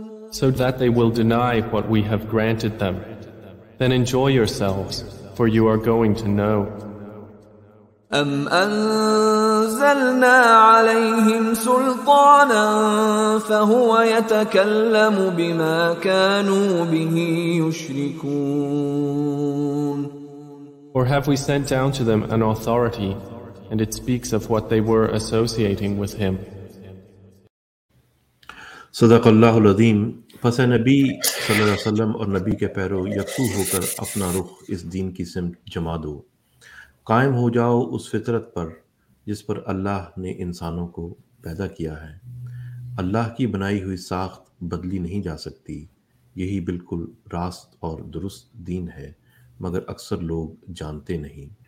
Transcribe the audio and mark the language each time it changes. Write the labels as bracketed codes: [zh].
[en] So that they will deny what we have granted them. Then enjoy yourselves, for you are going to know. [ar] أَمْ أنزلنا عليهم سلطانا فهو يتكلم بما كانوا به يشركون. [en] Or have we sent down to them an authority, and it speaks of what they were associating with him? [ar] صدق الله العظيم. [ur] پس نبی صلی اللہ علیہ وسلم اور نبی کے پیرو یکسو ہو کر اپنا رخ اس دین کی سمت جما دو، قائم ہو جاؤ اس فطرت پر جس پر اللہ نے انسانوں کو پیدا کیا ہے. اللہ کی بنائی ہوئی ساخت بدلی نہیں جا سکتی، یہی بالکل راست اور درست دین ہے، مگر اکثر لوگ جانتے نہیں.